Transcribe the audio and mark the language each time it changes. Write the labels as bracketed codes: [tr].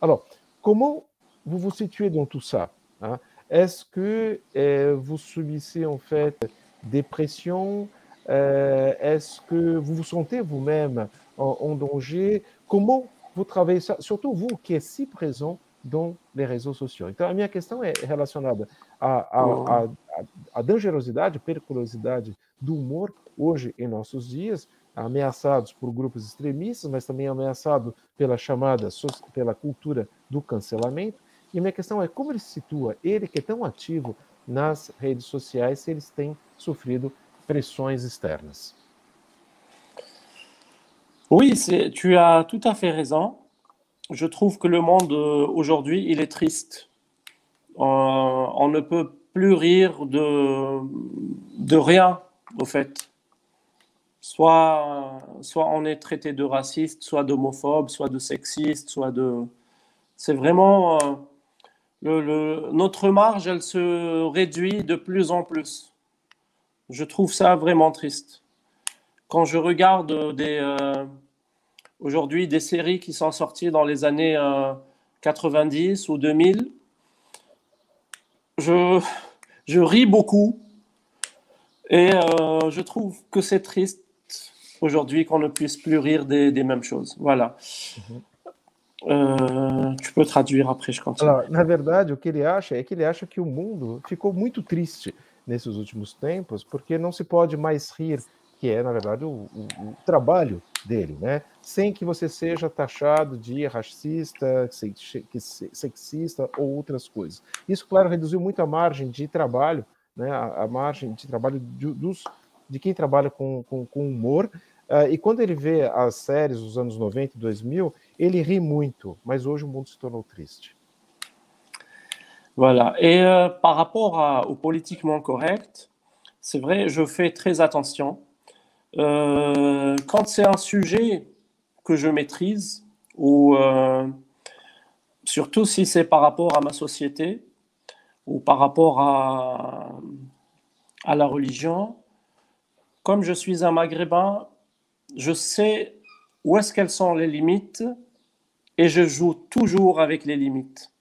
[fr] Alors, comment vous vous situez dans tout ça, hein? Est-ce que vous subissez en fait des pressions? Est-ce que vous vous sentez vous-même en danger. Comment vous travaillez ça, surtout vous qui êtes si présent dans les réseaux sociaux. [pt] Então, a minha questão é relacionada à dangerosidade, periculosidade do humor hoje em nossos dias, ameaçados por grupos extremistas, mas também ameaçado pela chamada, pela cultura do cancelamento. E minha questão é como ele se situa, ele que é tão ativo nas redes sociais, se eles têm sofrido pressões externas. [fr] Oui, tu as tout à fait raison. Je trouve que le monde aujourd'hui, il est triste. On ne peut plus rire de rien, au fait. Soit on est traité de raciste, soit d'homophobe, soit de sexiste, soit de... C'est vraiment... notre marge, elle se réduit de plus en plus. Je trouve ça vraiment triste. Quand je regarde aujourd'hui, des séries qui sont sorties dans les années 90 ou 2000, je ris beaucoup et je trouve que c'est triste aujourd'hui qu'on ne puisse plus rire des mêmes choses. Voilà. Tu peux traduire après, je continue. [pt] Alors, na verdade, o que ele acha é que ele acha que o mundo ficou muito triste nesses últimos tempos, porque não se pode mais rir, que é, na verdade, o trabalho dele, né? Sem que você seja taxado de racista, sexista ou outras coisas. Isso, claro, reduziu muito a margem de trabalho, né? A margem de trabalho de quem trabalha com humor. E quando ele vê as séries dos anos 90 e 2000, ele ri muito, mas hoje o mundo se tornou triste. [fr] Voilà. Et par rapport ao politiquement correct, c'est vrai, je fais très attention. Quand c'est un sujet que je maîtrise, ou surtout si c'est par rapport à ma société, ou par rapport à la religion, comme je suis un maghrébin, je sais où est-ce qu'elles sont les limites, et je joue toujours avec les limites.